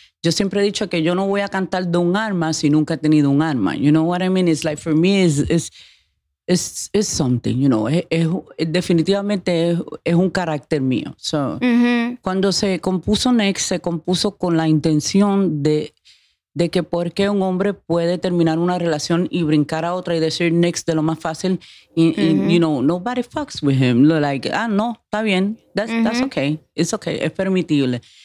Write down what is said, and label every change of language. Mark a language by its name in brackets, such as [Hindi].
[Spanish] Yo siempre he dicho que yo no voy a cantar de un arma si nunca he tenido un arma. [English] You know what I mean? It's like, for me, it's something, you know. [Spanish] Definitivamente es un carácter mío. So, cuando se compuso Next, se compuso con la intención de que por qué un hombre puede terminar una relación y brincar a otra y decir Next de lo más fácil. [English] Y, you know, nobody fucks with him. Like, no, [Spanish] está bien. [English] That's okay. It's okay. [Spanish] Es permitible.